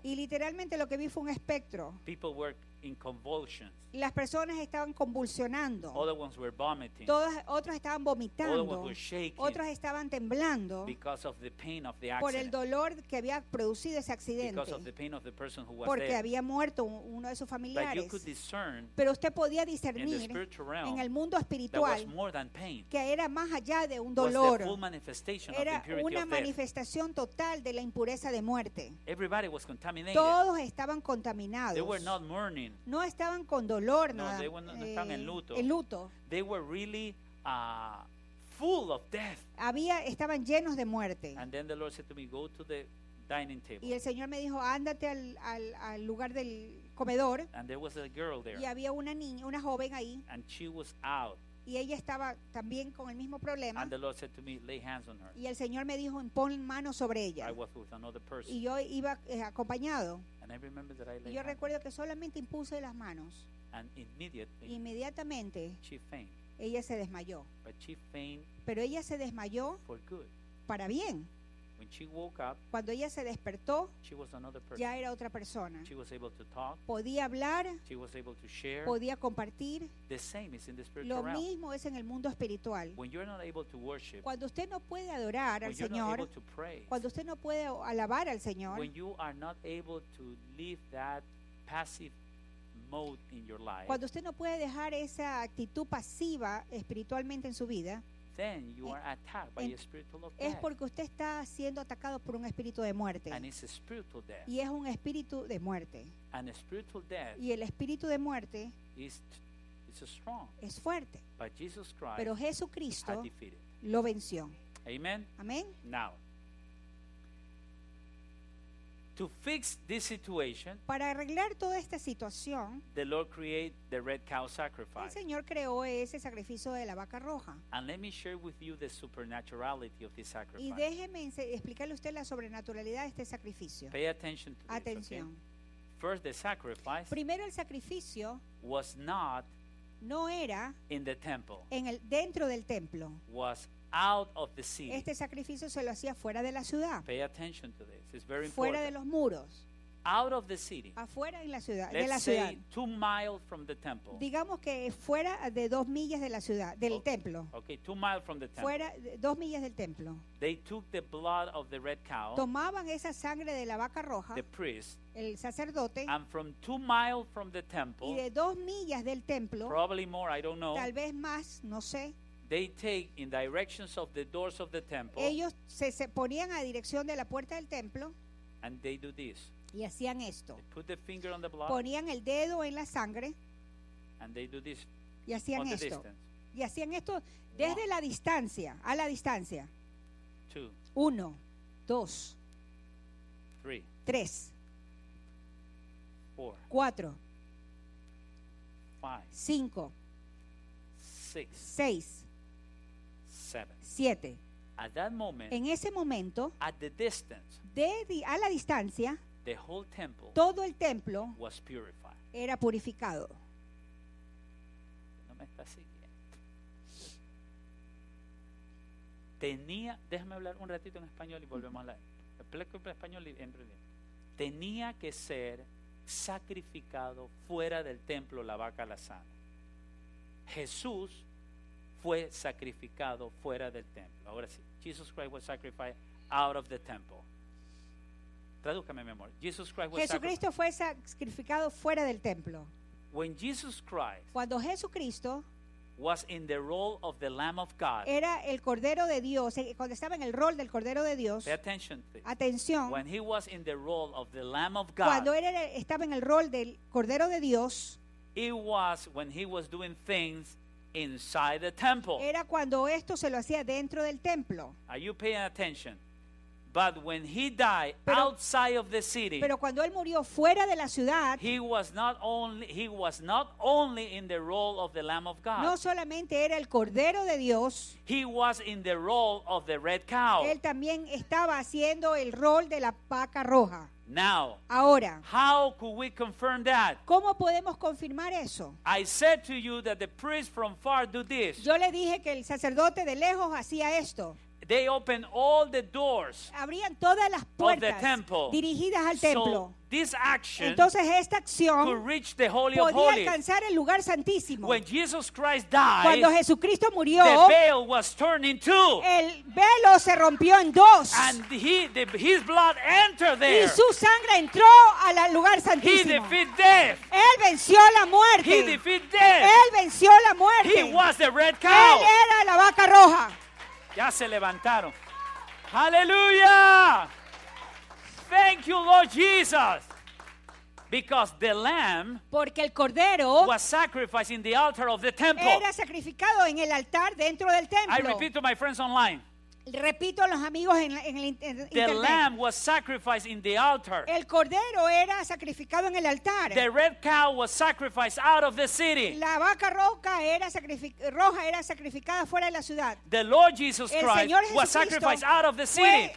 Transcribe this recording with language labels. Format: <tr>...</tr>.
<es>Y literalmente lo que vi fue un espectro.</es> <en>People were in convulsions.</en> <es>Las personas estaban convulsionando.</es> <en>Other ones were vomiting.</en> <es>Otros estaban vomitando.</es> <en>Other ones were shaking.</en> <es>Otros estaban temblando.</es> <en>Because of the pain of the</en> <es>por el dolor que había producido ese accidente.</es> <en>Because of the pain of the person who was</en> <es>porque</es> <en>dead.</en> <es>Había muerto uno de sus familiares.</es> <en>But you could discern,</en> <es>pero usted podía discernir</es> <en>in the spiritual realm,</en> <es>en el mundo espiritual</es> <en>that was more than pain,</en> <es>que era más allá de un dolor.</es> <en>Was the full manifestation</en> <es>era</es> <en>of the impurity</en> <es>una</es> <en>of</en> <es>manifestación</es> <en>death.</en> <es>Total de la impureza de muerte.</es> <en>Everybody was contaminated.</en> <es>Todos estaban contaminados.</es> <en>They were not mourning.</en> <es>No estaban con dolor. No, they were not, estaban en luto. En luto.</es> <en>They were really full of death.</en> <es>Estaban llenos de muerte.</es> <en>And then the Lord said to me, go to the dining table.</en> <es>Y el Señor me dijo, ándate al lugar del comedor.</es> <en>And there was a girl there.</en> <es>Y había una niña, una joven ahí.</es> <en>And she was out.</en> <es>Y ella estaba también con el mismo problema.</es> <en>And the Lord said to me, lay hands on her.</en> <es>Y el Señor me dijo, pon manos sobre ella.</es> <en>I was with another person.</en> <es>Y yo iba acompañado.</es> <en>And I remember that I laid</en> <es>y yo recuerdo que solamente impuse las manos.</es> <en>And immediately,</en> <es>inmediatamente,</es> <en>she fainted.</en> <es>Ella se desmayó.</es> <en>But she fainted.</en> <es>Pero ella se desmayó</es> <en>for good.</en> <es>Para bien.</es> <en>When she woke up,</en> <es>cuando ella se despertó,</es> <en>she was another person.</en> <es>Ya era otra persona.</es> <en>She was able to talk.</en> <es>Podía hablar.</es> <en>She was able to share.</en> <es>Podía compartir.</es> <en>The same is in the spiritual</en> <es>realm. Lo mismo es en el mundo espiritual.</es> <en>When you're not able to worship,</en> <es>cuando usted no puede adorar al Señor,</es> <en>when you're not able to pray,</en> <es>cuando usted no puede alabar al Señor,</es> <en>when you are not able to leave that passive mode in your life,</en> <es>cuando usted no puede dejar esa actitud pasiva espiritualmente en su vida,</es> <en>then you are attacked by a spiritual death.</en> <es>Es porque usted está siendo atacado por un espíritu de muerte.</es> <en>And it's a spiritual death.</en> <es>Y es un espíritu de muerte.</es> <en>And a spiritual death.</en> <es>Y el espíritu de muerte</es> <en>is strong.</en> <es>Es fuerte.</es> <en>But Jesus Christ,</en> <es>pero Jesucristo</es> <en>had defeated.</en> <es>Lo venció.</es> <en>Amen.</en> <es>Amén.</es> <en>Now, to fix this situation,</en> <es>para arreglar toda esta situación,</es> <en>the Lord created the red cow sacrifice.</en> <es>El Señor creó ese sacrificio de la vaca roja.</es> <en>And let me share with you the supernaturality of this sacrifice.</en> <es>Y déjeme explicarle usted la sobrenaturalidad de este sacrificio.</es> <en>Pay attention to this.</en> <es>Atención.</es> <en>Okay? First, the sacrifice.</en> <es>Primero el sacrificio.</es> <en>Was not.</en> <es>No era.</es> <en>In the temple.</en> <es>En el dentro del templo.</es> <en>Was out of the city.</en> <es>Este sacrificio se lo hacía fuera de la ciudad.</es> <en>Pay attention to this. It's very</en> <es>fuera</es> <en>important.</en> <es>De los muros.</es> <en>Out of the city.</en> <es>Afuera en la ciudad.</es> <en>Let's</en> <es>de la</es> <en>say</en> <es>ciudad.</es> <en>2 miles from the temple.</en> <es>Digamos que fuera de 2 millas de la ciudad, del templo.</es> <en>Okay, 2 miles from the temple.</en> <es>Fuera de 2 millas del templo.</es> <en>They took the blood of the red cow.</en> <es>Tomaban esa sangre de la vaca roja.</es> <en>The priest.</en> <es>El sacerdote.</es> <en>And from 2 miles from the temple.</en> <es>Y de 2 millas del templo.</es> <en>Probably more, I don't know.</en> <es>Tal vez más, no sé.</es> <en>They take in directions of the doors of the temple.</en> <es>Ellos se ponían a dirección de la puerta del templo.</es> <en>And they do this.</en> <es>Y hacían esto.</es> <en>They put the finger on the blood.</en> <es>Ponían el dedo en la sangre.</es> <en>And they do this.</en> <es>Y hacían</es> <en>on</en> <es>esto.</es> <en>The distance.</en> <es>Y hacían esto desde one. La distancia, a la distancia.</es> <en>Two.</en> <es>Uno, dos.</es> <en>Three.</en> <es>Tres.</es> <en>Four.</en> <es>Cuatro.</es> <en>Five.</en> <es>Cinco. Seis. Siete.</es> <en>At that moment,</en> <es>en ese momento,</es> <en>at the distance,</en> <es>a la distancia,</es> <en>the whole temple,</en> <es>todo el templo,</es> <en>was purified.</en> <es>Era purificado. No me está siguiendo. Tenía, déjame hablar un ratito en español y volvemos a la. Explico en español y entro bien. Tenía que ser sacrificado fuera del templo la vaca la sana. Jesús fue sacrificado fuera del templo. Ahora sí.</es> <en>Jesus Christ was sacrificed out of the temple.</en> <es>Tradúcame, mi amor.</es> <en>Jesus Christ was</en> <es>Jesucristo fue sacrificado fuera del templo.</es> <en>When Jesus Christ,</en> <es>cuando Jesucristo</es> <en>was in the role of the Lamb of God,</en> <es>era el Cordero de Dios, cuando estaba en el rol del Cordero de Dios.</es> <en>Pay attention.</en> <es>Atención.</es> <en>When he was in the role of the Lamb of God,</en> <es>cuando él estaba en el rol del Cordero de Dios,</es> <en>it was when he was doing things inside the temple.</en> <es>Era cuando esto se lo hacía dentro del templo.</es> <en>Are you paying attention? But when he died outside of the city.</en> <es>Pero cuando él murió fuera de la ciudad.</es> <en>He was not only in the role of the Lamb of God.</en> <es>No solamente era el Cordero de Dios.</es> <en>He was in the role of the red cow.</en> <es>Él también estaba haciendo el rol de la vaca roja.</es> <en>Now,</en> <es>ahora,</es> <en>how could we confirm that?</en> <es>¿Cómo podemos confirmar eso?</es> <en>I said to you that the priest from far do this.</en> <es>Yo le dije que el sacerdote de lejos hacía esto.</es> <en>They open all the doors.</en> <es>Abrían todas las puertas</es> <en>of the temple.</en> <es>Dirigidas al templo.</es> <en>So, this action,</en> <es>entonces esta acción,</es> <en>could reach the Holy of</en> <es>Holies. Podía alcanzar el lugar santísimo.</es> <en>When Jesus Christ died,</en> <es>cuando Jesucristo murió,</es> <en>the veil was turned in two.</en> <es>El velo se rompió en dos.</es> <en>And his blood entered there.</en> <es>Y su sangre entró al lugar santísimo.</es> <en>He defeated death.</en> <es>Él venció la muerte.</es> <en>He defeated death.</en> <es>Él venció la muerte.</es> <en>He was the red cow.</en> <es>Él era la vaca roja. Ya se levantaron. ¡Aleluya!</es> <en>Thank you, Lord Jesus. Because the lamb,</en> <es>porque el cordero,</es> <en>was sacrificed in the altar of the temple.</en> <es>Era sacrificado en el altar dentro del templo.</es> <en>I repeat to my friends online.</en> <es>Repito a los amigos en el internet.</es> <en>The lamb was sacrificed in the altar.</en> <es>El cordero era sacrificado en el altar.</es> <en>The red cow was sacrificed out of the city.</en> <es>La vaca roja era sacrificada fuera de la ciudad.</es> <en>The Lord Jesus Christ was sacrificed out of the city.</en>